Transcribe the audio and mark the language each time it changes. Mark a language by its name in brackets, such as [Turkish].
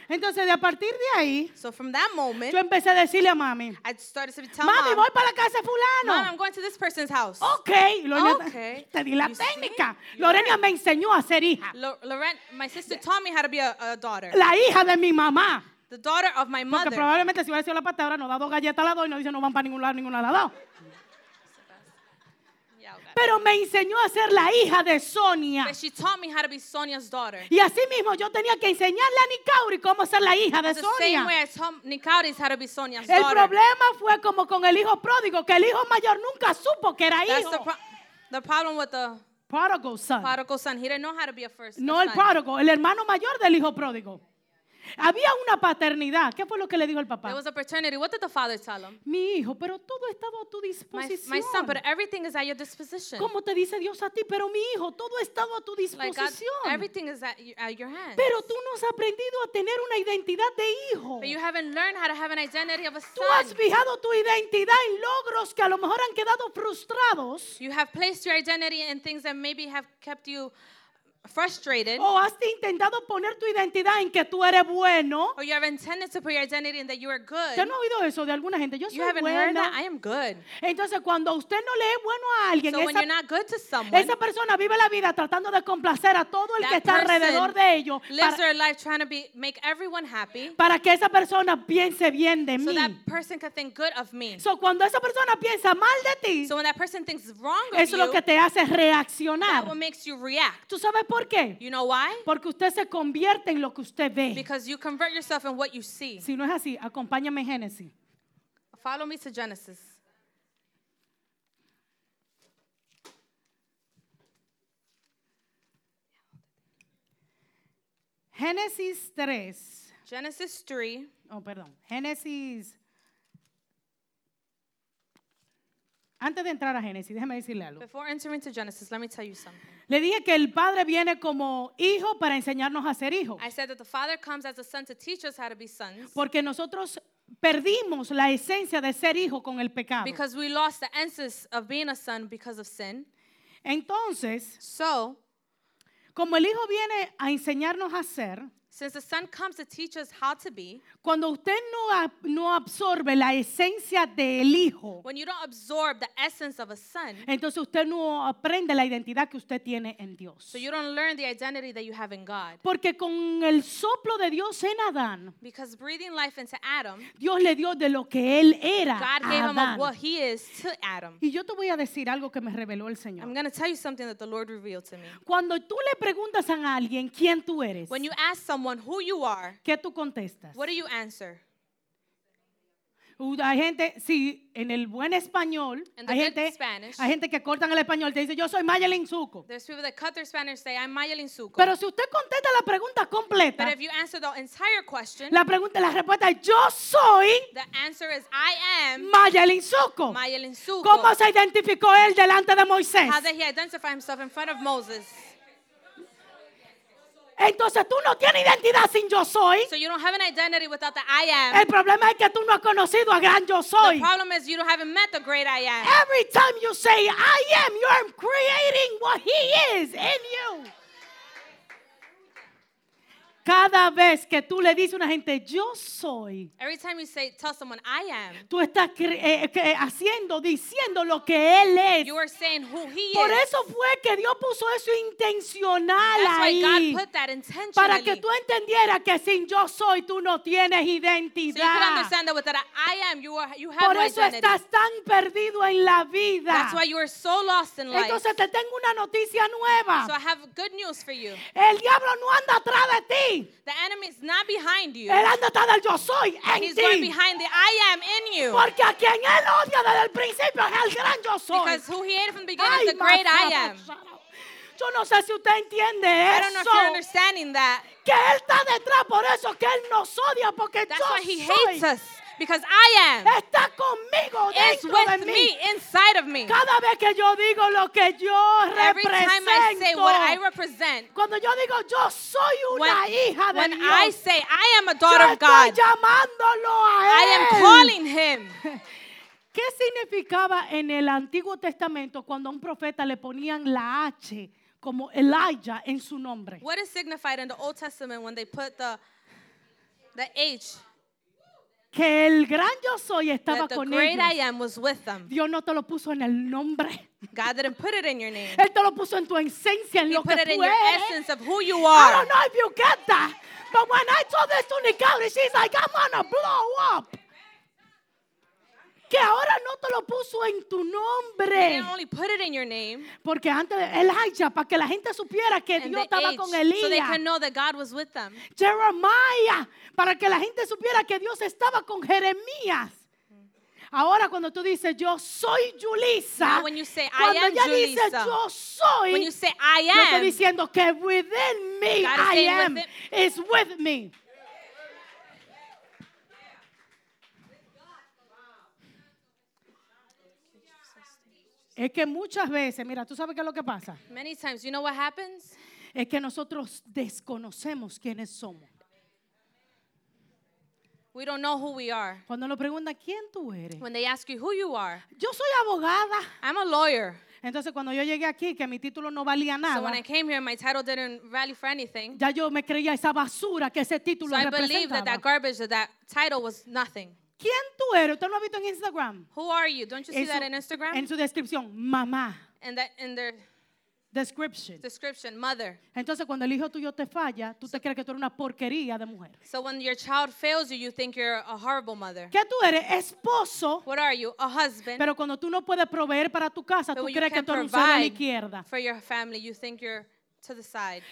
[Spanish] Entonces, de a partir de ahí, [English] so from that moment, [Spanish] yo empecé a decirle a mami, [English] I started to tell mami, [Spanish] voy para la casa de fulano. [English] Mami, I'm going to this person's house. Okay. Okay. [Spanish] Te di la you técnica. See? Lorena You're... me enseñó a ser hija. [English] Lorena, my sister taught me how to be a daughter. [Spanish] La hija de mi mamá. [English] The daughter of my mother. [Spanish] Porque probablemente si hubiera sido la pastora, no da dos galletas a la dos y no dice no van para ningún lado, ninguna a la dos. Pero me enseñó a ser la hija de Sonia. [English] But she taught me how to be Sonia's daughter. [Spanish] Y así mismo yo tenía que enseñarle a Nicauri cómo ser la hija de Sonia. [English] The same way I taught Nicauri how to be Sonia's [Spanish] el [English] daughter. [Spanish] El problema fue como con el hijo pródigo, que el hijo mayor nunca supo que era [English] That's [Spanish] hijo. [English] The problem with the prodigal son. Prodigal son. He didn't know how to be a first [Spanish] no [English] son. [Spanish] El prodigal, el hermano mayor del hijo pródigo. Había una paternidad. ¿Qué fue lo que le dijo el papá? [English] There was a paternity. What did the father tell him? [Spanish] Mi hijo, pero todo estaba a tu disposición. [English] My son, but everything is at your disposition. [Spanish] ¿Cómo te dice Dios a ti? Pero mi hijo, todo estaba a tu disposición. [English] Like God, everything is at your hands. [Spanish] Pero tú no has aprendido a tener una identidad de hijo. [English] But you haven't learned how to have an identity of a son. [Spanish] Tú has fijado tu identidad en logros que a lo mejor han quedado frustrados. [English] You have placed your identity in things that maybe have kept you frustrated. [Spanish] O has intentado poner tu identidad en que tú eres bueno. [English] Or you have intended to put your identity in that you are good. [Spanish] ¿Te han oído eso de alguna gente? Yo soy [English] buena. You haven't heard that I am good. [Spanish] Entonces cuando usted no le es bueno a alguien, [English] so [Spanish] esa, [English] when you're not good to someone, [Spanish] esa persona vive la vida tratando de complacer a todo el que está alrededor de ellos. [English] Lives their life trying to be, make everyone happy. [Spanish] Para que esa persona piense bien de [English] so [Spanish] mí. [English] So that person can think good of me. [Spanish] So cuando esa persona piensa mal de ti, [English] so when that person thinks wrong of [Spanish] you, eso es lo que te hace reaccionar. [English] That what makes you react. [Spanish] ¿Tú sabes por qué? [English] You know why? [Spanish] Porque usted se convierte en lo que usted ve. [English] Because you convert yourself in what you see. [Spanish] Si no es así, acompáñame a Génesis. [English] Follow me to Genesis. [Spanish] Génesis 3. [English] Genesis 3. [Spanish] Oh, perdón. Génesis. Antes de entrar a Génesis, déjame decirle algo. [English] Before entering to Genesis, let me tell you something. [Spanish] Le dije que el padre viene como hijo para enseñarnos a ser hijos. [English] I said that the father comes as a son to teach us how to be sons. [Spanish] Porque nosotros perdimos la esencia de ser hijo con el pecado. [English] Because we lost the essence of being a son because of sin. [Spanish] Entonces, [English] so, [Spanish] como el hijo viene a enseñarnos a ser, [English] since the son comes to teach us how to be, [Spanish] cuando usted no absorbe la esencia del hijo, [English] when you don't absorb the essence of a son, [Spanish] entonces usted no aprende la identidad que usted tiene en Dios. [English] So you don't learn the identity that you have in God. [Spanish] Porque con el soplo de Dios en Adán, [English] because breathing life into Adam, [Spanish] Dios le dio de lo que él era [English] God [Spanish] a [English] gave [Spanish] Adán. [English] Him of what he is to Adam. [Spanish] Y yo te voy a decir algo que me reveló el Señor. [English] I'm going to tell you something that the Lord revealed to me. [Spanish] Cuando tú le preguntas a alguien quién tú eres, [English] when you ask someone who you are, [Spanish] ¿qué tú contestas? [English] What do you answer? [Spanish] Hay gente, sí, en el buen español, hay gente que cortan el español, te dice, yo soy Mayelin Zuko. [English] There's people that cut their Spanish, say, I'm Mayelin Zuko. [Spanish] Pero si usted contesta la pregunta completa, [English] but if you answer the entire question, [Spanish] la respuesta es, yo soy, [English] the answer is, I am, Mayelin Zuko. Mayelin Zuko. [Spanish] ¿Cómo se identificó él delante de Moisés? [English] How did he identify himself in front of Moses? [Spanish] Entonces tú no tienes identidad sin yo soy. [English] So you don't have an identity without the I am. [Spanish] El problema es que tú no has conocido a gran yo soy. [English] The problem is you don't haven't met the great I am. Every time you say I am, you are creating what he is in you. [Spanish] Cada vez que tú le dices a una gente yo soy, [English] every time you say, tell someone I am, [Spanish] tú estás diciendo lo que él es. [English] You are saying who he [Spanish] por [English] is. [Spanish] Eso fue que Dios puso eso intencional. [English] That's [Spanish] ahí [English] why God put that intentionally. [Spanish] Para que tú entendieras que sin yo soy tú no tienes identidad. [English] So you can understand that without I am you have [Spanish] por eso [English] no identity. [Spanish] Estás tan perdido en la vida. [English] That's why you are so lost in life. [Spanish] Entonces te tengo una noticia nueva. [English] So I have good news for you. [Spanish] El diablo no anda atrás de ti. [English] The enemy is not behind you. [Spanish] Él anda atrás del yo soy en [English] he's [Spanish] ti. [English] Going behind the I am in you. [Spanish] Porque a quien él odia desde el principio es el gran yo soy. [English] Because who he hated from the beginning is the great I am. [Spanish] Yo no sé si usted entiende eso. [English] I don't know if you're understanding that. [Spanish] Que él está detrás por eso que él nos odia porque [English] that's [Spanish] yo [English] why he [Spanish] soy. [English] Hates us. Because I am. [Spanish] Está conmigo dentro [English] it's with [Spanish] de mí. [English] Me, inside of me. [Spanish] Cada vez que yo digo lo que yo represento, [English] every time I say what I represent, [Spanish] cuando yo digo yo soy una [English] when, [Spanish] hija de [English] when [Spanish] Dios, [English] when I say I am a daughter of God, [Spanish] yo estoy llamándolo a él. [English] I am calling him. [Spanish] ¿Qué significaba en el Antiguo Testamento cuando a un profeta le ponían la H como Elijah en su nombre? [English] What is signified in the Old Testament when they put the H? [Spanish] Que el gran yo soy estaba con ellos. [English] That the great I am was with them. [Spanish] Dios no te lo puso en el nombre. [English] God didn't put it in your name. [Spanish] Él te lo puso en tu esencia, en lo que tú eres. [English] He put it in your essence of who you are. I don't know if you get that, but when I told this to Nicole, she's like, I'm gonna blow up. [Spanish] Que ahora no te lo puso en tu nombre. [English] He didn't only put it in your name. [Spanish] Porque antes Elijah, para que la gente supiera que [English] and [Spanish] Dios estaba con Elías. [English] So they can know that God was with them. [Spanish] Jeremiah, para que la gente supiera que Dios estaba con Jeremías. Ahora cuando tú dices yo soy Julissa, [English] when you say I am [Spanish] Julissa, cuando ella dice yo soy, [English] when you say I am, [Spanish] yo estoy diciendo que [English] within me I am is with me. [Spanish] Es que muchas veces, mira, tú sabes qué es lo que pasa. [English] Many times, you know what happens? [Spanish] Es que nosotros desconocemos quiénes somos. [English] We don't know who we are. [Spanish] Cuando nos preguntan quién tú eres. [English] When they ask you who you are. [Spanish] Yo soy abogada. [English] I'm a lawyer. [Spanish] Entonces cuando yo llegué aquí que mi título no valía nada. [English] So when I came here my title didn't rally for anything. [Spanish] Ya yo me creía esa basura que ese título representaba. [English] So I believed that garbage, that title was nothing. [Spanish] ¿Quién tú eres? ¿Tú lo has visto en Instagram? [English] Who are you? Don't you see that in Instagram? [Spanish] En su descripción, mamá. [English] And that in their description. Description, mother. [Spanish] Entonces cuando el hijo tuyo te falla, tú te crees que tú eres una porquería de mujer. [English] So when your child fails you, you think you're a horrible mother. [Spanish] ¿Qué tú eres? Esposo. [English] What are you? A husband. [Spanish] Pero cuando tú no puedes proveer para tu casa, tú crees que tú eres un cero a la izquierda. [English] For your family, you think you're to the side.